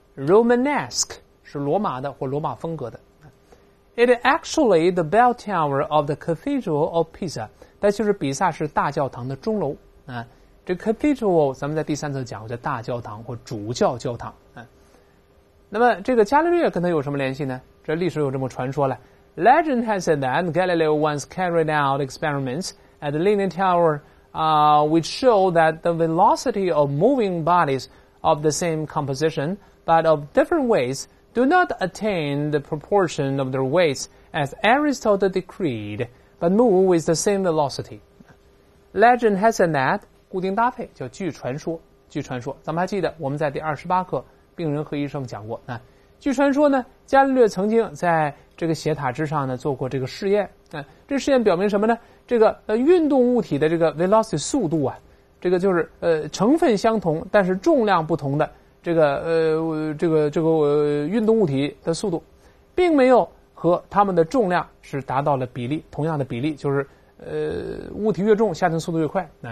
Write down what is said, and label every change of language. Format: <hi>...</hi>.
<zh>Romanesque 是罗马的或罗马风格的。</zh> <en>It is actually the bell tower of the Cathedral of Pisa，</en> <zh>它就是比萨是大教堂的钟楼。这 cathedral 咱们在第三次讲过，叫大教堂或主教教堂。那么这个伽利略跟他有什么联系呢？这历史有这么传说了。</zh> <en>Legend has said that Galileo once carried out experiments at the Leaning Tower, which show that the velocity of moving bodies of the same composition but of different weights do not attain the proportion of their weights as Aristotle decreed, but move with the same velocity. Legend has said that.</en> <zh>固定搭配叫据传说，据传说，咱们还记得我们在第28课《病人和医生》讲过。据传说呢，伽利略曾经在这个斜塔之上呢做过这个试验。这试验表明什么呢？这个运动物体的这个 velocity 速度啊，这个就是成分相同但是重量不同的这个运动物体的速度，并没有和它们的重量是达到了比例，同样的比例，就是物体越重下降速度越快。</zh>